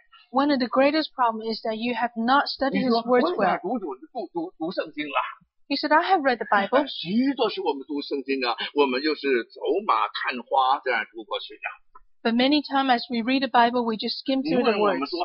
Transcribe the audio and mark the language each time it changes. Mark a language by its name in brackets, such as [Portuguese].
[English] One of the greatest problems is that you have not studied His words well. He said, I have read the Bible. [Chinese] 许多时我们读圣经啊，我们就是走马看花这样读过去的。 [English] But many times as we read the Bible, we just skim through the words.